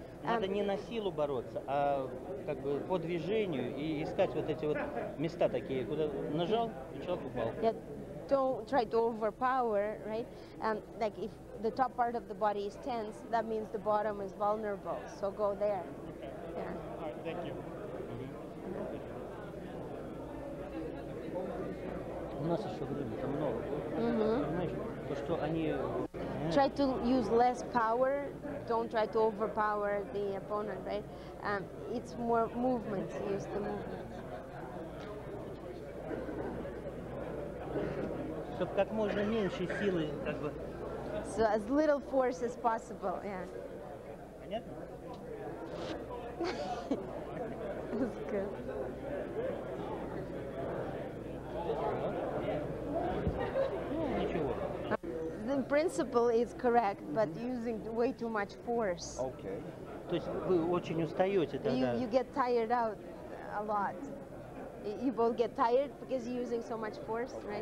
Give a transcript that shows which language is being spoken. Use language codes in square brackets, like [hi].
[ru] Надо не на силу бороться, а как бы по движению и искать вот эти вот места такие, куда нажал, и человек упал. [en] Don't try to overpower, right? And like if the top part of the body is tense, that means the bottom is vulnerable. So go there. Okay. Yeah. All right, thank you. [ru] У нас еще время, там много. Понимаешь, то, что они... [en] Try to use less power. Don't try to overpower the opponent, right? It's more movement. Use the movement. [ru] Чтобы как можно меньше силы, как бы. [en] So as little force as possible, yeah. [ru] Понятно? [en] That's good. The principle is correct, but using way too much force. Okay. [ru] То есть вы очень устаете тогда. [en] You get tired out a lot. You both get tired because you're using so much force, okay.